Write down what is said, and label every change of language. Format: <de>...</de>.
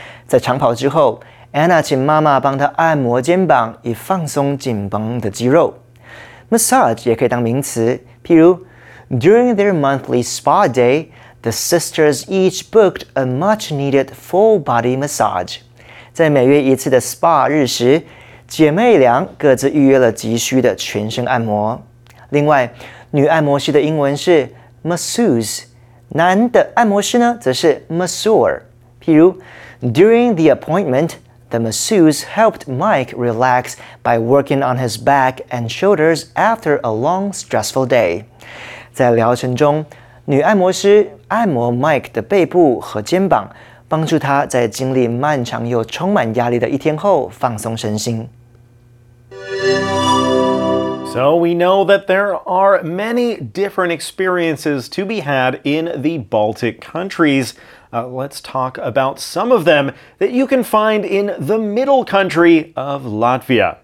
<zh>在长跑之后， Anna 请妈妈帮她按摩肩膀以放松紧绷的肌肉。</zh> <en>Massage</en> <zh>也可以当名词，譬如</zh> <en>During their monthly spa day, the sisters each booked a much-needed full-body massage.</en> <zh>在每月一次的 SPA 日时，姐妹俩各自预约了急需的全身按摩。另外，女按摩师的英文是 masseuse， 男的按摩师呢则是 masseur。譬如</zh> <en>，During the appointment, the masseuse helped Mike relax by working on his back and shoulders after a long stressful day。</en> <zh>在疗程中，女按摩师按摩 Mike 的背部和肩膀。帮助他在经历漫长又充满压力的一天后放松身心。</zh> <en>So we know that there are many different experiences to be had in the Baltic countries. Let's talk about some of them that you can find in the middle country of Latvia.</en>